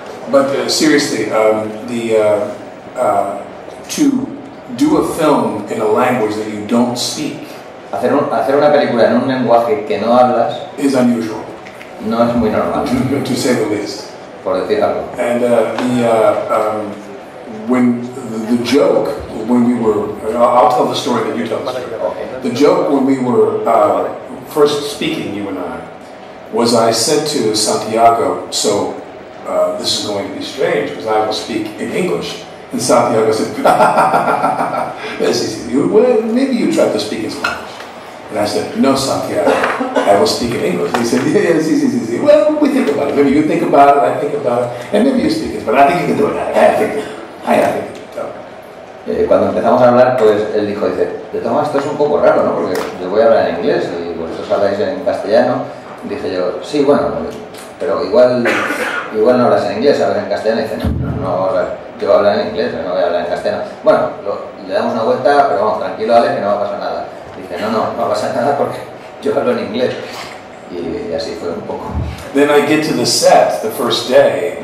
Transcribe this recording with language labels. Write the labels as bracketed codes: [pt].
[en] but seriously, to do a film in a language that you don't speak. [es] Hacer una película en un lenguaje que no hablas [en] is unusual. [es] No es muy normal. [en] To say the least. [es] Por decir algo. [en] And the joke when we were, I'll tell the story that you tell the story. The joke when we were first speaking, you and I, was I said to Santiago, so this is going to be strange because I will speak in English. And Santiago said, maybe you tried to speak in Spanish. And I said, no, Santiago, I will speak in English. He said, yeah, [es] sí, sí, sí, sí. [en] Well, we think about it. Maybe you think about it, I think about it. And maybe you speak it, but I think you can do it. I think. [es] Cuando empezamos a hablar, pues él dijo, dice, de todas maneras, esto es un poco raro, ¿no? Porque yo voy a hablar en inglés y vosotros habláis en castellano. Dije yo, sí, bueno, pero igual no hablas en inglés, hablas en castellano. Y dice, no, o sea, yo voy a hablar en inglés, no voy a hablar en castellano. Bueno, le damos una vuelta, pero vamos, tranquilo, Ale, que no va a pasar nada. Dice, no, no va a pasar nada porque yo hablo en inglés. Y así fue un poco. [en] Then I get to the set the first day.